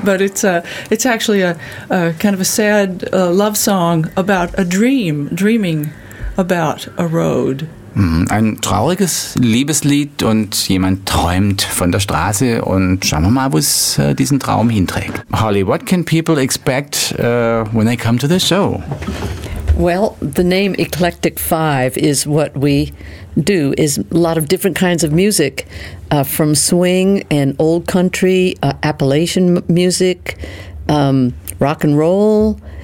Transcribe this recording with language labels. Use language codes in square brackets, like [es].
[en] But it's actually a kind of a sad love song about a dream, dreaming about a road. [de] Ein trauriges Liebeslied, und jemand träumt von der Straße, und schauen wir mal, wo es diesen Traum hinträgt. [en] Holly, what can people expect when they come to the show? Well, the name Eclectic Five is what we do, is a lot of different kinds of music, from swing and old country, Appalachian music, rock and roll.